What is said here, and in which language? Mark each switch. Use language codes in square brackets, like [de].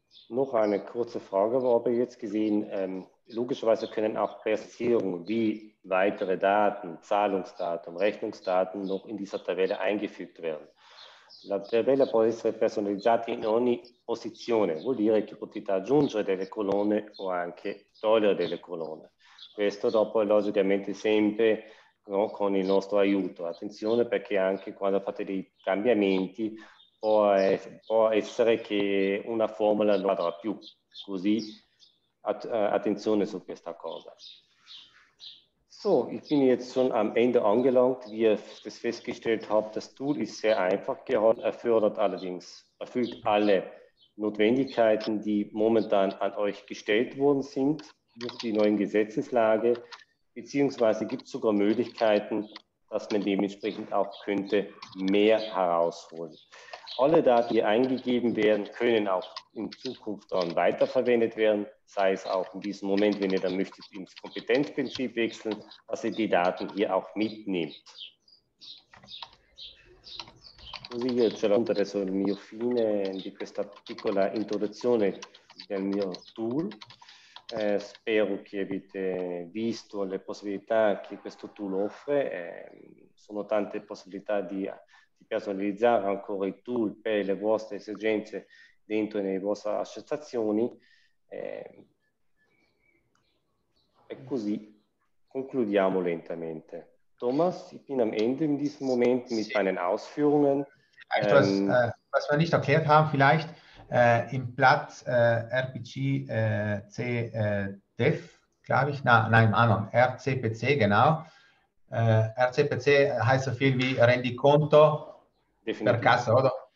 [de] Noch eine kurze Frage, wo habe ich jetzt gesehen, logischerweise können auch Präzisierungen wie weitere Daten, Zahlungsdatum, Rechnungsdaten noch in dieser Tabelle eingefügt werden. [it] La tabella può essere personalizzata in ogni posizione, vuol dire che potete aggiungere delle colonne o anche togliere delle colonne. Questo dopo è logicamente sempre con il nostro aiuto. Attenzione, perché anche quando fate dei cambiamenti può essere che una formula non vada più. Così attenzione su questa cosa. [de] So, ich bin jetzt schon am Ende angelangt. Wie ihr das festgestellt habt, das Tool ist sehr einfach geworden, erfordert allerdings, erfüllt alle Notwendigkeiten, die momentan an euch gestellt worden sind durch die neuen Gesetzeslage, beziehungsweise gibt es sogar Möglichkeiten, dass man dementsprechend auch könnte mehr herausholen. Alle Daten, die eingegeben werden, können auch in Zukunft dann weiterverwendet werden, sei es auch in diesem Moment, wenn ihr dann möchtet, ins Kompetenzprinzip wechseln, dass ihr die Daten hier auch mitnehmt. [it] Così io ce l'ho adesso il mio fine di questa piccola introduzione del mio tool. Spero che avete visto le possibilità che questo tool offre. Sono tante possibilità di personalizzare ancora il tool per le vostre esigenze dentro le vostre associazioni. E così concludiamo lentamente. [de] Thomas, ich bin am Ende in diesem Moment mit meinen Ausführungen. Etwas, was wir nicht erklärt haben, vielleicht im Platz RPC CDEF, glaube ich, nein, anderen, RCPC, genau. RCPC heißt so viel wie [it] Rendiconto per Kasse, [de] oder?